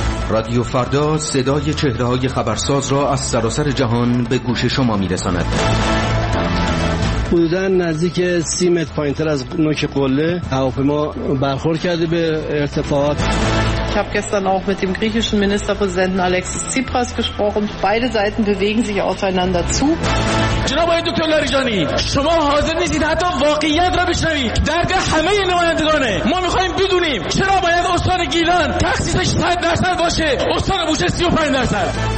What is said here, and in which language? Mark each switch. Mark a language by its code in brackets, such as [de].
[fa] رادیو فردا صدای چهره های خبرساز را از سراسر جهان به گوش شما میرساند. حدوداً نزدیک 30 متر پایین‌تر از نوک قله هواپیما برخورد کرده به ارتفاعات. [de] Ich habe gestern auch mit dem griechischen Ministerpräsidenten Alexis Tsipras gesprochen. Beide Seiten bewegen sich aufeinander zu. [fa] جناب دکتر لاریجانی، شما حاضر نیستید حتی واقعیت را بشنوید. درد همه نمایندگانه. ما می‌خوایم بدونیم چرا باید استان گیلان تخصیصش 100% باشه، استان بوشهر 35%.